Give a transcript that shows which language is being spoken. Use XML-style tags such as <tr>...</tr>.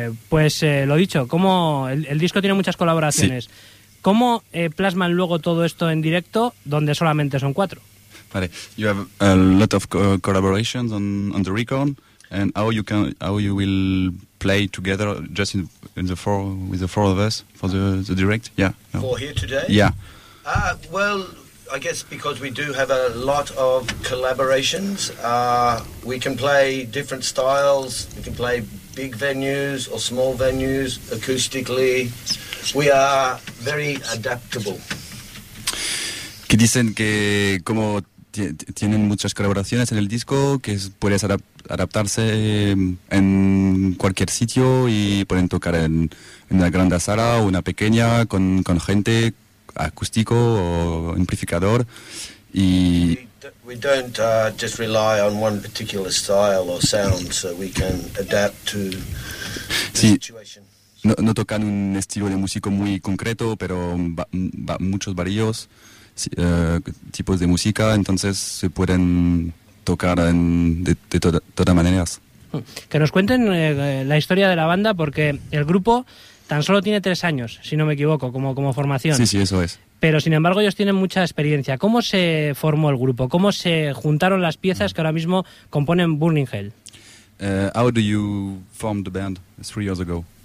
<es>Lo dicho, como el disco tiene muchas colaboraciones, sí. ¿Cómo plasman luego todo esto en directo, donde solamente son cuatro?</es> <en>Vale, you have a lot of collaborations on the record, and how you will play together just in the four of us for the direct, yeah. No. For here today? Yeah. Well, I guess because we do have a lot of collaborations, we can play different styles, we can play big venues or small venues acoustically. We are very adaptable.</en> <es>¿Qué dicen que como tienen muchas colaboraciones en el disco, que puedes adaptarse en cualquier sitio y pueden tocar en una grande sala o una pequeña con gente, acústico o amplificador? Y</es> <en>we don't just rely on one particular style or sound, so we can adapt to the situation.</en> <es>No tocan un estilo de músico muy concreto, pero muchos varios tipos de música, entonces se pueden tocar de todas maneras. Que nos cuenten la historia de la banda, porque el grupo tan solo tiene 3 años, si no me equivoco, como formación. Sí, eso es. Pero sin embargo ellos tienen mucha experiencia. ¿Cómo se formó el grupo? ¿Cómo se juntaron las piezas que ahora mismo componen Burning Hell?</es> <en>How do you form the band 3 years ago?</en>